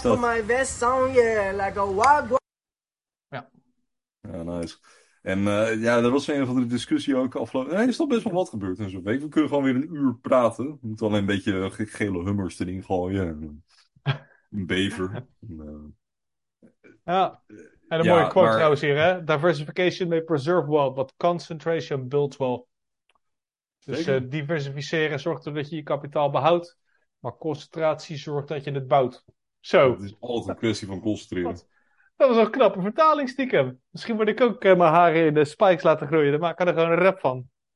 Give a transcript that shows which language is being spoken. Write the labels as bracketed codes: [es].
[en] put my vest on, yeah, like a wild boy. Ja, nice. [nl] En ja, er was een of andere discussie ook afgelopen. Nee, er is toch best wel wat gebeurd in zo'n week. We kunnen gewoon weer een uur praten. We moeten alleen een beetje gele hummers erin gooien. En een bever. Ja, en een mooie quote trouwens hier, hè. [en] Diversification may preserve wealth, but concentration builds wealth. [nl] Dus diversificeren zorgt ervoor dat je je kapitaal behoudt. Maar concentratie zorgt dat je het bouwt. Zo. Het is altijd een kwestie van concentreren. Dat was een knappe vertaling, stiekem. Misschien moet ik ook mijn haren in de spikes laten groeien. Dan maak ik er gewoon een rap van.